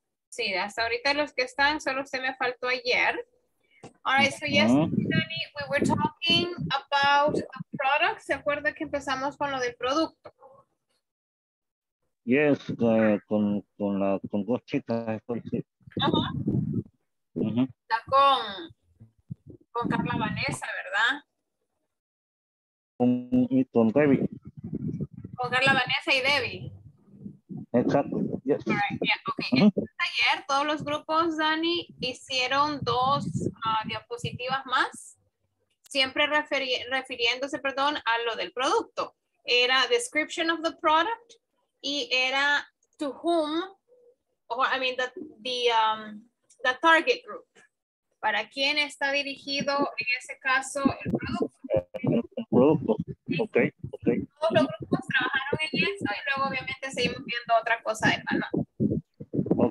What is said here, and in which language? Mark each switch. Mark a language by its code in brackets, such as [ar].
[es] Sí, hasta ahorita los que están, solo usted me faltó ayer. [en] All right. So, yesterday, Danny, we were talking about a product. [es] ¿Se acuerda que empezamos con lo del producto? Yes, con dos chicas. Está con Carla Vanessa, ¿verdad? Con Debbie. Con Carla Vanessa y Debbie. Exacto. Yes. [en] All right, yeah, okay. Uh-huh. [es] Ayer todos los grupos, Dani, hicieron dos diapositivas más, siempre refiriéndose, perdón, a lo del producto. [en] Era description of the product y era to whom, or I mean the target group. [es] ¿Para quién está dirigido en ese caso el producto? Producto. Okay. Okay. Todos los grupos trabajaron en eso y luego obviamente seguimos viendo otra cosa del valor.